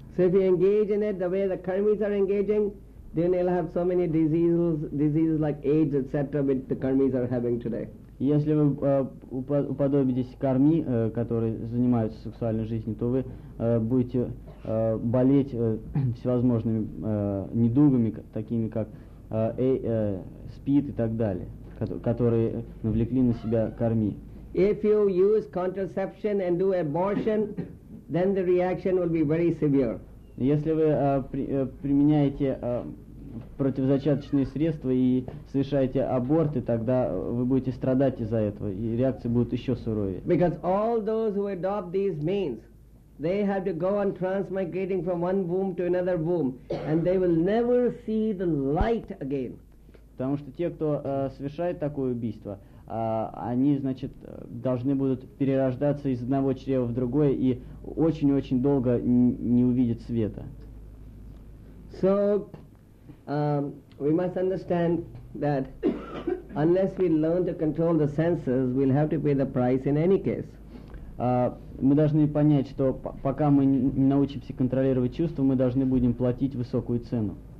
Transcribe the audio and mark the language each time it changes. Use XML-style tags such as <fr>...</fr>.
<en>So if you engage in it the way the karmis are engaging, then you'll have so many diseases like AIDS, etc., which the karmis are having today.</en> <ru>Если вы уподобитесь карми, которые занимаются сексуальной жизнью, то вы будете болеть всевозможными недугами, такими как СПИД и так далее, которые навлекли на себя карми.</ru> <en>If you use contraception and do abortion, then the reaction will be very severe.</en> <ru>Если вы применяете противозачаточные средства и совершаете аборты, тогда вы будете страдать из-за этого, и реакции будут еще суровее.</ru> <en>Because all those who adopt these means, they have to go on transmigrating from one womb to another womb, and they will never see the light again.</en> <ru>Потому что те, кто совершает такое убийство, они, значит, должны будут перерождаться из одного чрева в другое и очень-очень долго не увидят света.</ru> <en>So, we must understand that unless we learn to control the senses, we'll have to pay the price in any case.</en> <ru>Мы должны понять, что пока мы не научимся контролировать чувства, мы должны будем платить высокую цену.</ru>